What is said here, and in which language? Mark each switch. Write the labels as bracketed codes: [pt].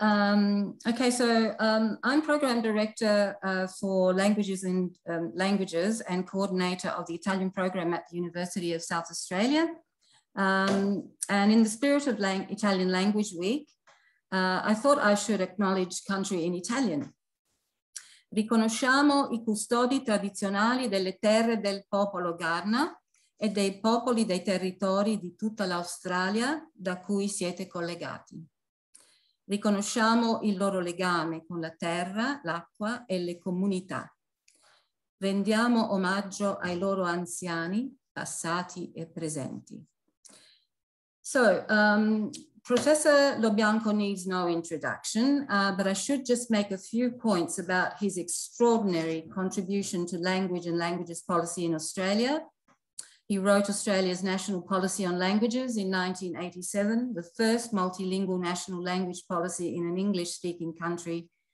[en] I'm Program Director for Languages and Languages and Coordinator of the Italian Program at the University of South Australia. And in the spirit of Italian Language Week, I thought I should acknowledge country in Italian. [it] Riconosciamo i custodi tradizionali delle terre del popolo Garna e dei popoli dei territori di tutta l'Australia da cui siete collegati. Riconosciamo il loro legame con la terra, l'acqua e le comunità. Rendiamo omaggio ai loro anziani, passati e presenti. [en] So, Professor Lo Bianco needs no introduction, but I should just make a few points about his extraordinary contribution to language and languages policy in Australia. He wrote Australia's National Policy on Languages in 1987, the first multilingual national language policy in an English-speaking country.